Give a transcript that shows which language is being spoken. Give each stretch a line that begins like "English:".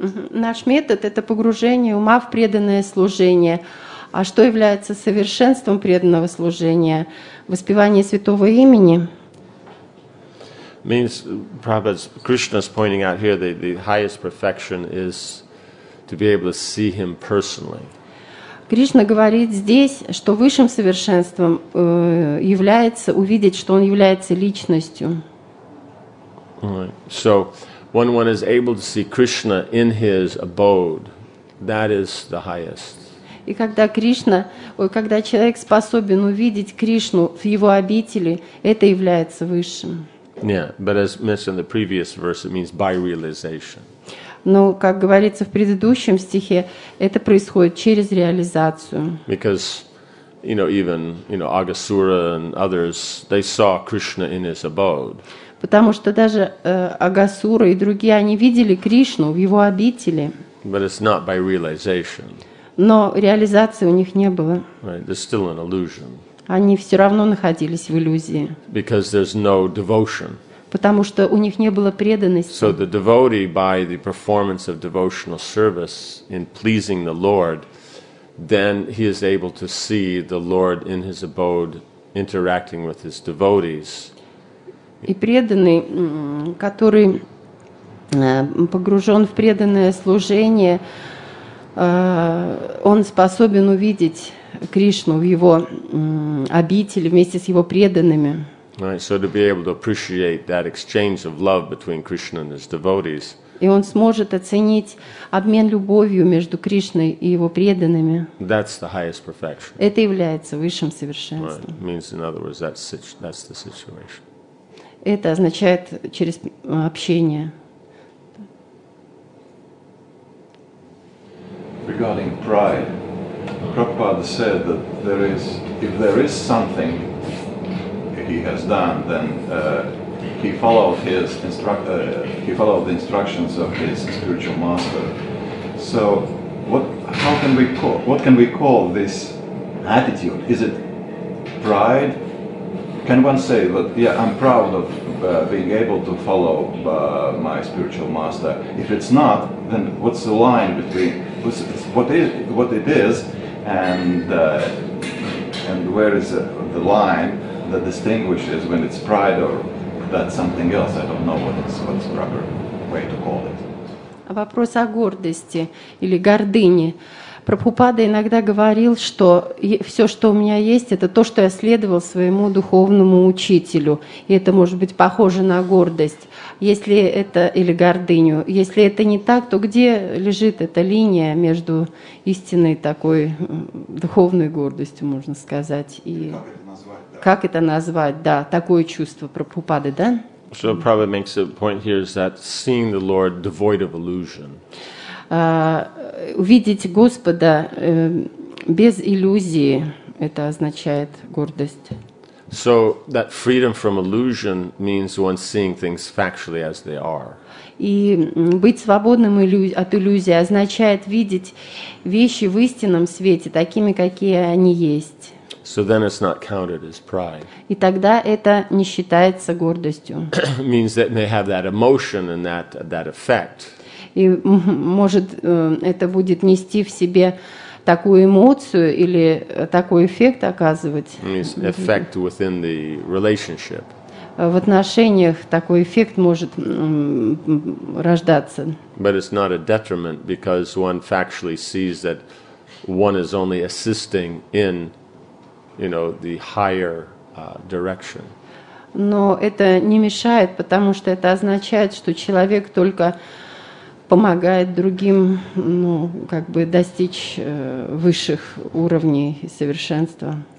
Russian: Наш метод — это погружение ума в преданное служение. А что является совершенством преданного служения? Воспевание святого имени.
English: Means Prabhupada's, Krishna's pointing out here that the highest perfection is to be able to see him personally.
Russian: Кришна говорит здесь, что высшим совершенством является увидеть, что он является личностью.
English: Right. So when one is able to see Krishna in his abode, that is the highest.
Russian: И когда Кришна, когда человек способен увидеть Кришну в его обители, это является высшим.
English: Yeah, but as mentioned in the previous verse, it means by realization.
Russian: Но, как говорится в предыдущем стихе, это происходит через реализацию.
English: Because, you know, even, you know, Agasura and others, they saw Krishna in his abode.
Russian: Потому что даже Агасура и другие, они видели Кришну в его обители.
English: But it's not by realization.
Russian: Но реализации у них не было.
English: Right, there's still an illusion.
Russian: Они все равно находились в иллюзии.
English: Because there's no devotion.
Russian: Потому что у них не было преданности.
English: So the devotee, by the performance of devotional service in pleasing the Lord, then he is able to see the Lord in his abode interacting with his devotees.
Russian: И преданный, который погружен в преданное служение, он способен увидеть Кришну в его обители вместе с его преданными.
English: Right, so to be able to appreciate that exchange of love between Krishna and his devotees.
Russian: И он сможет оценить обмен любовью между Кришной и его преданными.
English: That's the highest perfection.
Russian: Это является высшим совершенством.
English: Right, means in other words that's the situation.
Russian: Это означает через общение.
English: Regarding pride, Prabhupada said that there is, if there is something he has done, then he followed his he followed the instructions of his spiritual master. So, what can we call this attitude? Is it pride? Can one say that, yeah, I'm proud of being able to follow my spiritual master? If it's not, then what's the line between what it is and where is the line that distinguishes when it's pride or that's something else? I don't know what's the proper way to call it.
Russian: Вопрос о гордости или гордыне. Прабхупада иногда говорил, что все, что у меня есть, это то, что я следовал своему духовному учителю. И это может быть похоже на гордость, если это или гордыню. Если это не так, то где лежит эта линия между истинной такой духовной гордостью, можно сказать, и как это назвать, да, такое чувство Прабхупады, да?
English: So Prabhupada makes a point here is that seeing the Lord devoid of illusion.
Russian: увидеть Господа без иллюзии, это означает гордость.
English: So that freedom from illusion means one seeing things factually as they are.
Russian: И быть свободным от иллюзии означает видеть вещи в истинном свете такими, какие они есть.
English: So then it's not counted as pride.
Russian: И тогда это не считается гордостью.
English: Means that may have that emotion and that effect.
Russian: И может это будет нести в себе такую эмоцию или такой эффект оказывать.
English: Means effect within the relationship.
Russian: В отношениях такой эффект может рождаться.
English: But it's not a detriment because one factually sees that one is only assisting in, you know, the higher direction.
Russian: Но это не мешает, потому что это означает, что человек только помогает другим, ну, как бы достичь высших уровней и совершенства.